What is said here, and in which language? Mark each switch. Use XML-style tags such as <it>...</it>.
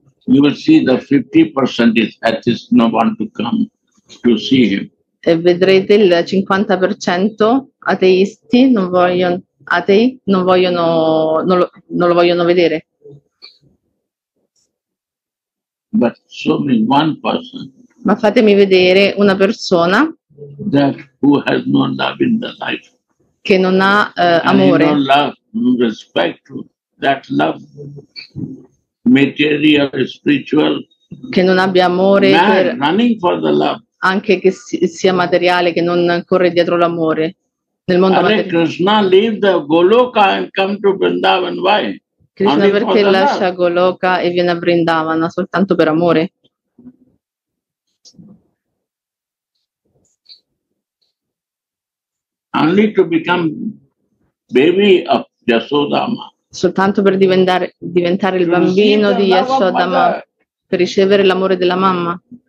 <en>You will see the 50% is at this no one to come to see him.</en> <it>E vedrete il 50% ateisti non lo vogliono vedere.</it> <en>But show me one person.</en> <it>Ma fatemi vedere una persona.</it> <en>That who has no love in the life.</en> <it>Che non ha amore.</it> <en>No love, respect that love, material, spiritual.</en> <it>Che non abbia amore.</it> <en>Man, running for the love.</en> <it>Anche che sia materiale, che non corre dietro l'amore nel mondo Hare materiale.</it> <en>Krishna leave the Goloka and come to Vrindavan. Why?</en> <it>Krishna perché lascia Goloka e viene a Vrindavana soltanto per amore?</it> <en>Only to become baby of Yashodama.</en> <it>Soltanto per diventare il bambino di Yashodama, per ricevere l'amore della mamma.</it>